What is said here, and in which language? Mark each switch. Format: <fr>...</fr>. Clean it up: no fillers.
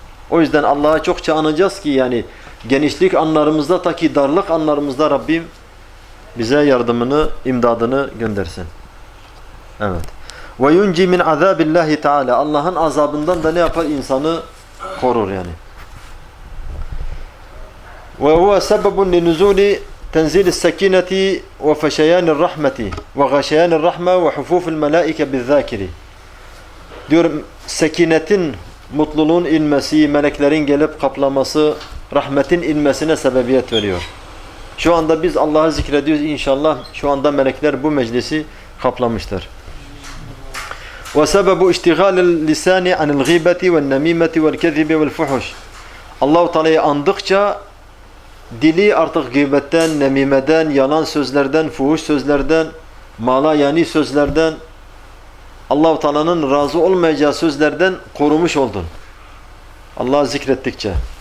<tr>O yüzden Allah'a çokça anacağız ki yani genişlik anlarımızda ta ki darlık anlarımızda Rabbim bize yardımını, imdadını göndersin. Evet.</tr> <ar>وَيُنْجِي مِنْ عَذَابِ اللّٰهِ تَعَالَى</ar> <tr>Allah'ın azabından da ne yapar? İnsanı korur yani.</tr> <ar>وَهُوَ سَبَبٌ لِنُزُولِ تَنْزِيلِ السَّكِينَةِ وَفَشَيَانِ الرَّحْمَةِ وَغَشَيَانِ الرَّحْمَةِ وَحُفُوفِ الْمَلَائِكَ بِالذَّاكِرِ</ar> <tr>diyor, sekinetin, mutluluğun inmesi, meleklerin gelip kaplaması, rahmetin inmesine sebebiyet veriyor. Şu anda biz Allah'ı zikrediyoruz. İnşallah şu anda melekler bu meclisi kaplamıştır.</tr> <ar>وَسَبَبُ اِشْتِغَالِ الْلِسَانِ عَنِ الْغِيبَةِ وَالنَّمِيمَةِ وَالْكَذِبِ وَالْفُحُشِ</ar> <tr>Allah-u Teala'yı andıkça dili artık gıybetten, nemimeden, yalan sözlerden, fuhuş sözlerden, mala yani sözlerden, Allah-u Teala'nın razı olmayacağı sözlerden korumuş oldun. Allah'ı zikrettikçe.</tr>